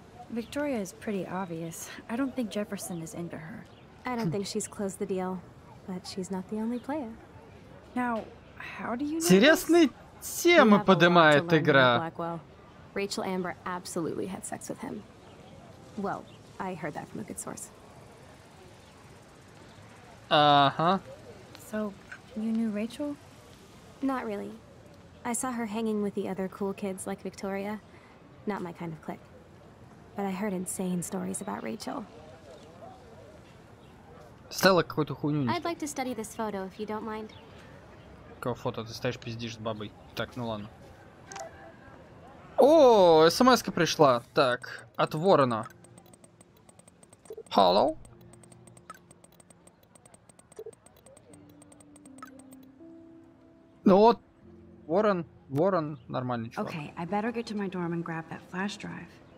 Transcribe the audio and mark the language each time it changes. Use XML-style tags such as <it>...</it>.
<en>Victoria is pretty obvious. I don't think Jefferson is into her. I don't think she's closed the deal. But she's not the only player. Now, how do you know?</en> <ru>Интересные темы поднимает игра.</ru> <en>Rachel Amber absolutely had sex with him. Well, I heard that from a good source. Uh-huh. So, you knew Rachel? Not really. I saw her hanging with the other cool kids like Victoria. Not my kind of clique. But I heard insane stories about Rachel.</en> <ru>Стелла какую-то хуйню несёт.</ru> <en>I'd like to study this photo, if you don't mind.</en> <ru>Какого фото? Ты стоишь, пиздишь с бабой. Так, ну ладно. О, смс-ка пришла. Так, от Ворона.</ru> <en>Hello?</en> <ru>Ну вот, Ворон, нормальный чувак.</ru> <en>Okay, I better get to my dorm and grab that flash drive.</en>